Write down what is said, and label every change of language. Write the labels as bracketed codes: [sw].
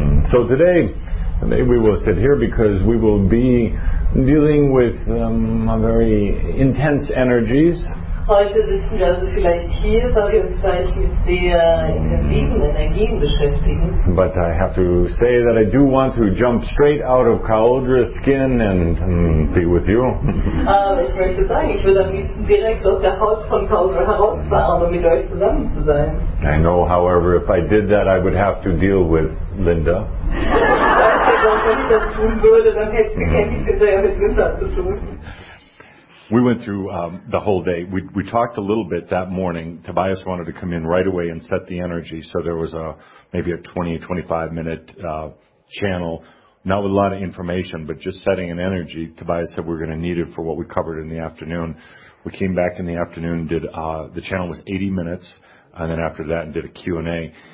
[en] So today, maybe we will sit here because we will be dealing with very intense energies. [de] Heute sitzen wir also vielleicht hier, weil wir uns gleich mit sehr intensiven Energien beschäftigen. [en] But I have to say that I do want to jump straight out of Kaoldra's skin and be with you. [de] Ich möchte sagen, ich würde am liebsten direkt aus der Haut von Kaoldra herausfahren, um mit euch zusammen zu sein. [en] I know, however, if I did that, I would have to deal with Linda. [de] Wenn ich das tun würde, dann hätte ich ja mit Linda zu tun. [en] We went through the whole day. We talked a little bit that morning. Tobias wanted to come in right away and set the energy, so there was maybe a 20-25 minute channel, not with a lot of information, but just setting an energy. Tobias said we're going to need it for what we covered in the afternoon. We came back in the afternoon, did the channel was 80 minutes, and then after that did a Q&A.